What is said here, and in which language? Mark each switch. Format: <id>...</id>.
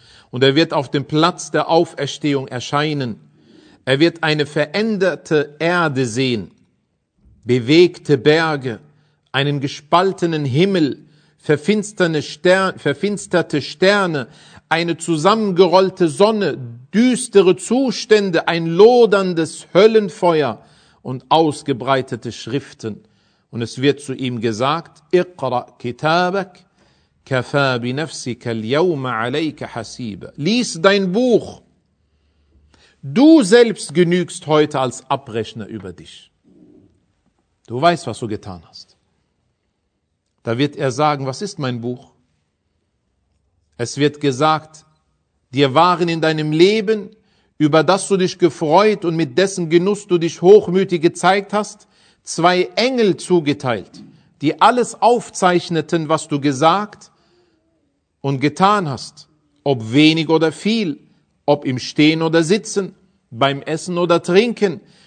<de>Und er wird auf dem Platz der Auferstehung erscheinen. Er wird eine veränderte Erde sehen, bewegte Berge, einen gespaltenen Himmel, verfinsterte Sterne, eine zusammengerollte Sonne, düstere Zustände, ein loderndes Höllenfeuer und ausgebreitete Schriften. Und es wird zu ihm gesagt,</de> <ar>اقرأ كتابك كفى بنفسك اليوم عليك حسيبا.</ar> <de>Lies dein Buch. Du selbst genügst heute als Abrechner über dich. Du weißt, was du getan hast. Da wird er sagen, was ist mein Buch? Es wird gesagt, dir waren in deinem Leben, über das du dich gefreut und mit dessen Genuss du dich hochmütig gezeigt hast, zwei Engel zugeteilt, die alles aufzeichneten, was du gesagt und getan hast, ob wenig oder viel, ob im Stehen oder Sitzen, beim Essen oder Trinken.</de>